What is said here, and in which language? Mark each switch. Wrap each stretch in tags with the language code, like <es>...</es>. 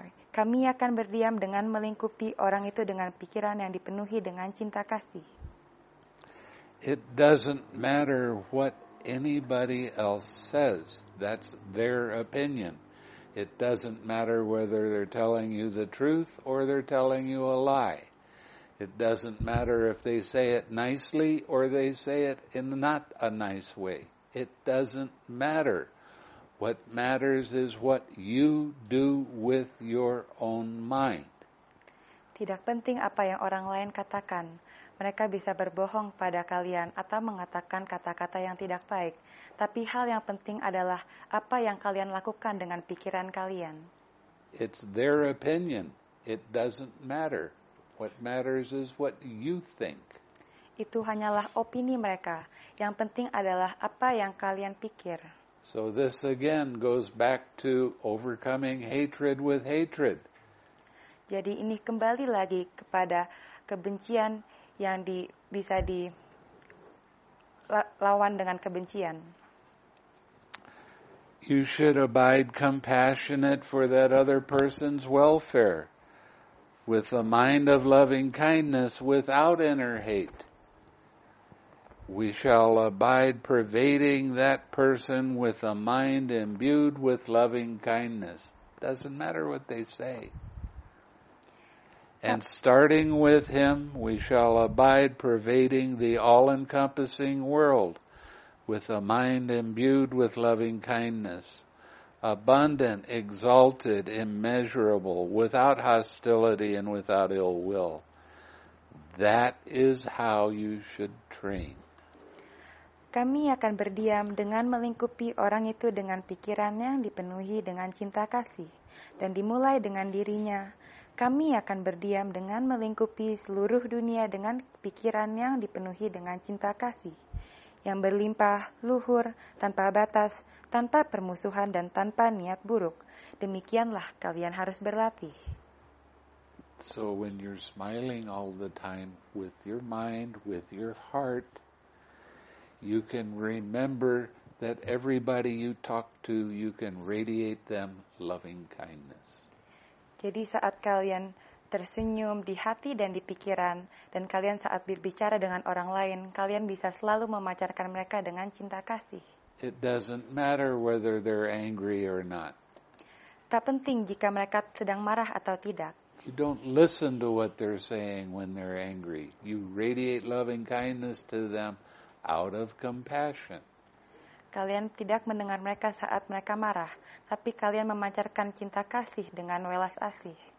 <id>Kami akan berdiam dengan melingkupi orang itu dengan pikiran yang dipenuhi dengan cinta kasih.</id> <en>It doesn't matter what anybody else says. That's their opinion. It doesn't matter whether they're telling you the truth or they're telling you a lie. It doesn't matter if they say it nicely or they say it in not a nice way. It doesn't matter. What matters is what you do with your own mind.</en> <id>Tidak penting apa yang orang lain katakan. Mereka bisa berbohong pada kalian atau mengatakan kata-kata yang tidak baik. Tapi hal yang penting adalah apa yang kalian lakukan dengan pikiran kalian.</id> <en>It's their opinion. It doesn't matter. What matters is what you think.</en> <id>Itu hanyalah opini mereka. Yang penting adalah apa yang kalian pikir.</id> <en>So this again goes back to overcoming hatred with hatred.</en> <id>Jadi ini kembali lagi kepada kebencian yang bisa dilawan dengan kebencian.</id> <en>You should abide compassionate for that other person's welfare with a mind of loving kindness without inner hate. We shall abide pervading that person with a mind imbued with loving kindness. Doesn't matter what they say. And starting with him, we shall abide pervading the all-encompassing world with a mind imbued with loving kindness, abundant, exalted, immeasurable, without hostility and without ill will. That is how you should train.</en> <id>Kami akan berdiam dengan melingkupi orang itu dengan pikiran yang dipenuhi dengan cinta kasih dan dimulai dengan dirinya. Kami akan berdiam dengan melingkupi seluruh dunia dengan pikiran yang dipenuhi dengan cinta kasih, yang berlimpah, luhur, tanpa batas, tanpa permusuhan, dan tanpa niat buruk. Demikianlah kalian harus berlatih.</id> <en>So when you're smiling all the time with your mind, with your heart, you can remember that everybody you talk to, you can radiate them loving kindness.</en> <id>Jadi saat kalian tersenyum di hati dan di pikiran, dan kalian saat berbicara dengan orang lain, kalian bisa selalu memancarkan mereka dengan cinta kasih.</id> <en>It doesn't matter whether they're angry or not.</en> <id>Tak penting jika mereka sedang marah atau tidak.</id> <en>You don't listen to what they're saying when they're angry. You radiate loving kindness to them out of compassion.</en> <id>Kalian tidak mendengar mereka saat mereka marah, tapi kalian memancarkan cinta kasih dengan welas asih.</id>